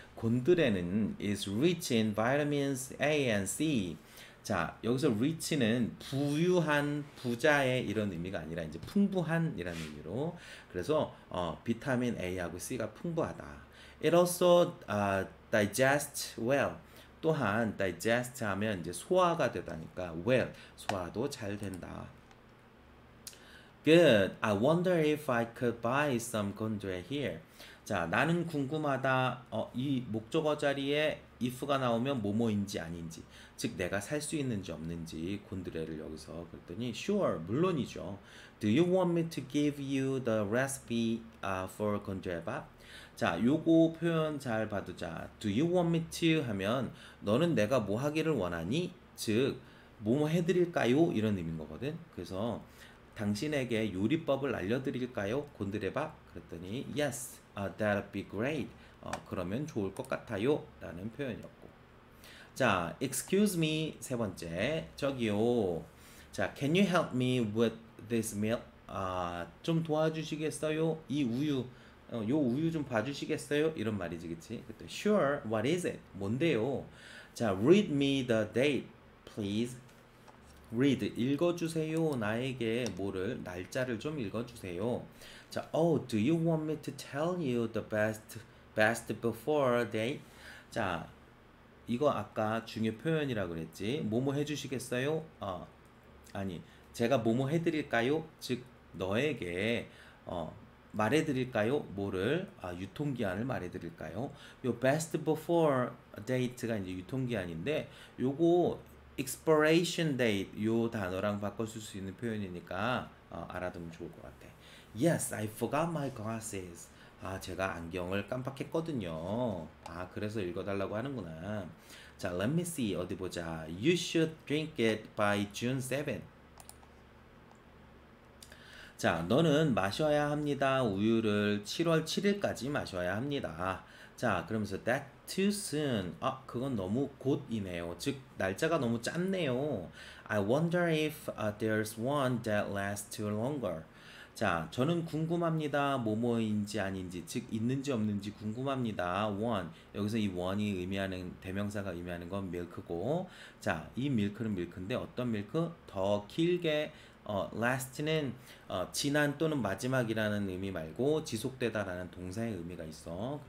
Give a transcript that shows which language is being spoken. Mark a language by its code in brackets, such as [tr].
[en] 곤드레는 is rich in vitamins A and C. [ko] 자, 여기서 rich는 부유한, 부자의 이런 의미가 아니라 이제 풍부한이라는 의미로. 그래서 비타민 A하고 C가 풍부하다. [en] It also digests well. [ko] 또한 digest 하면 이제 소화가 되다니까 well 소화도 잘 된다. Good. [en] I wonder if I could buy some 건조해 here. [ko] 자, 나는 궁금하다. 이 목적어 자리에 if가 나오면 뭐뭐인지 아닌지, 즉 내가 살수 있는지 없는지 곤드레를 여기서 그랬더니 sure 물론이죠. [en] Do you want me to give you the recipe for 건조해밥? [ko] 자, 요거 표현 잘 봐두자. Do you want me to 하면 너는 내가 뭐 하기를 원하니? 즉 뭐뭐 해드릴까요? 이런 의미인 거거든. 그래서 당신에게 요리법을 알려드릴까요? [en] 곤드레밥? [ko] 그랬더니 [en] yes. That'd be great. [ko] 그러면 좋을 것 같아요. 라는 표현이었고. 자, [en] excuse me. [ko] 세 번째. 저기요. [en] 자, can you help me with this milk? [ko] 좀 도와주시겠어요? 이 우유. 요 우유 좀 봐주시겠어요? 이런 말이지, 그치? 그때, [en] sure. What is it? [ko] 뭔데요? [en] 자, read me the date, please. Read. [ko] 읽어주세요. 나에게 뭐를, 날짜를 좀 읽어주세요. [en] 자, oh, do you want me to tell you the best before date? [ko] 자, 이거 아까 중요 표현이라고 그랬지. 뭐뭐 해주시겠어요? 아니, 제가 뭐뭐 해드릴까요? 즉, 너에게, 말해드릴까요? 뭐를, 유통기한을 말해드릴까요? 요 best before date가 이제 유통기한인데, 요거, expiration date, 요 단어랑 바꿔 쓸수 있는 표현이니까, 알아두면 좋을 것 같아. [en] Yes, I forgot my glasses. [ko] 아, 제가 안경을 깜빡했거든요. 아, 그래서 읽어달라고 하는구나. [en] 자, let me see. [ko] 어디 보자. [en] You should drink it by June 7th. [ko] 자, 너는 마셔야 합니다. 우유를 7월 7일까지 마셔야 합니다. 자, 그러면서 [en] that too soon. [ko] 그건 너무 곧이네요. 즉, 날짜가 너무 짧네요. [en] I wonder if there's one that lasts longer. [ko] 자, 저는 궁금합니다. 뭐뭐인지 아닌지, 즉 있는지 없는지 궁금합니다. [en] One. [ko] 여기서 이 one이 의미하는 대명사가 의미하는 건 밀크고, 자, 이 밀크는 밀크인데 어떤 밀크? 더 길게 last는 지난 또는 마지막이라는 의미 말고 지속되다라는 동사의 의미가 있어.